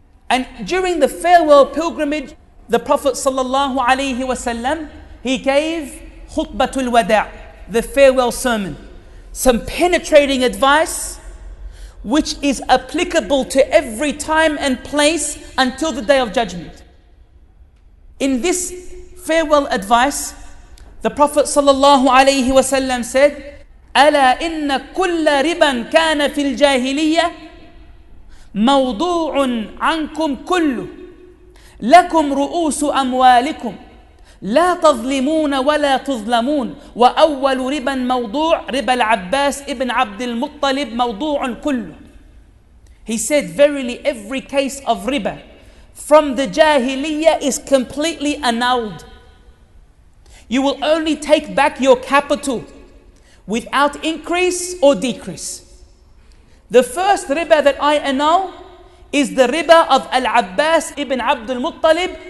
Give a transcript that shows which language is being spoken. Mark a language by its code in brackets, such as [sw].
[en] And during the farewell pilgrimage, the Prophet sallallahu alayhi wa sallam, he gave khutbatul wada', the farewell sermon, some penetrating advice which is applicable to every time and place until the day of judgment. In this farewell advice, the Prophet sallallahu alayhi wa sallam said, [ar] أَلَا إِنَّ كُلَّ رِبًا كَانَ فِي الْجَاهِلِيَّةِ مَوْضُوعٌ عَنْكُمْ كُلُّ لَكُمْ رُؤُوسُ أَمْوَالِكُمْ لَا تَظْلِمُونَ وَلَا تُظْلَمُونَ وَأَوَّلُ رِبًا مَوْضُوعٌ رِبَ الْعَبَّاسِ إِبْنْ عَبْدِ الْمُطَّلِبِ مَوْضُوعٌ كُلُّ. [en] He said, verily every case of riba from the jahiliyyah is completely annulled. You will only take back your capital without increase or decrease. The first riba that I annul is the riba of Al-Abbas ibn Abdul Muttalib.